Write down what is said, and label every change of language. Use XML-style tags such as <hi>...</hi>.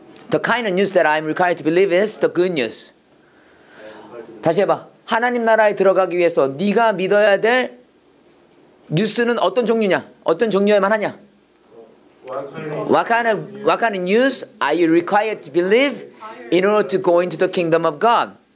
<en>The kind of news that I'm required to believe is the good news.</en> <ko>다시 해봐. 하나님 나라에 들어가기 위해서 네가 믿어야 될 뉴스는 어떤 종류냐? 어떤 종류에만 하냐?</ko> <en>What kind of news are you required to believe in order to go into the kingdom of God?</en>